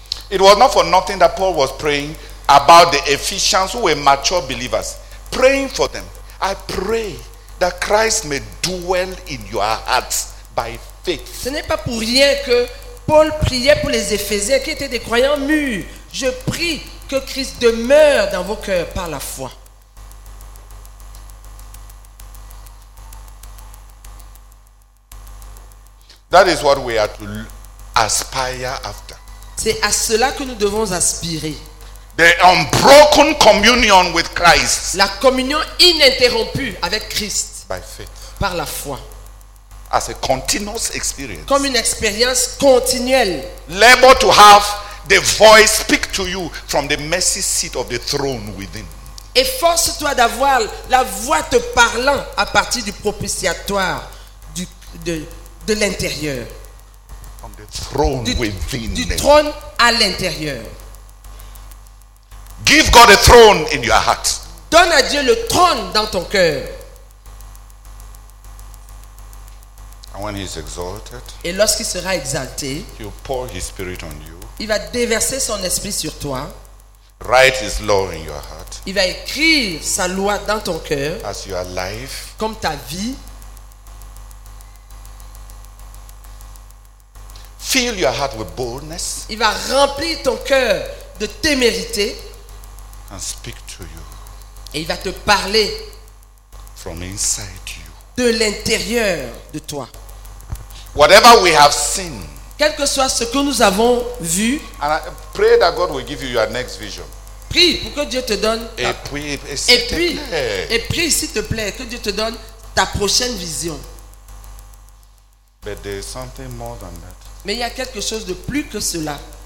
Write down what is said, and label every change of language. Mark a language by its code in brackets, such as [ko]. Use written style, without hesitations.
[en] It was not for nothing that Paul was praying about the Ephesians who were mature believers, praying for them. I pray that Christ may dwell in your hearts by faith. [fr] Ce n'est pas pour rien que Paul priait pour les Éphésiens qui étaient des croyants mûrs. Je prie que Christ demeure dans vos cœurs par la foi. [en] That is what we are to aspire after. [fr] C'est à cela que nous devons aspirer. [en] The unbroken communion with Christ. [fr] La communion ininterrompue avec Christ. [en] By faith. [fr] Par la foi. [en] As a continuous experience. [fr] Comme une expérience continuelle. [en] Labor to have the voice speak to you from the mercy seat of the throne within. [fr] Efforce-toi d'avoir la voix te parlant à partir du propitiatoire de l'intérieur. [en] From the throne within. [fr] Du trône à l'intérieur. [en] Give God a throne in your heart. [fr] Donne à Dieu le trône dans ton cœur. [en] And when he is exalted, [fr] et lorsqu'il sera exalté, [en] he'll pour his spirit on you. [fr] Il va déverser son esprit sur toi. [en] Write his law in your heart. [fr] Il va écrire sa loi dans ton cœur. [en] As your life, [fr] comme ta vie. [en] Fill your heart with boldness. [fr] Il va remplir ton cœur de témérité. [en] And speak to you. [fr] Et il va te parler [en] from inside you. [fr] De l'intérieur de toi. [en] Whatever we have seen, [fr] quel que soit ce que nous avons vu, [en] and I pray that God will give you your next vision. [fr] Prie pour que Dieu te donne et prie s'il te plaît que Dieu te donne ta prochaine vision. [en] But there's something more than that. [fr] Mais il y a quelque chose de plus que cela.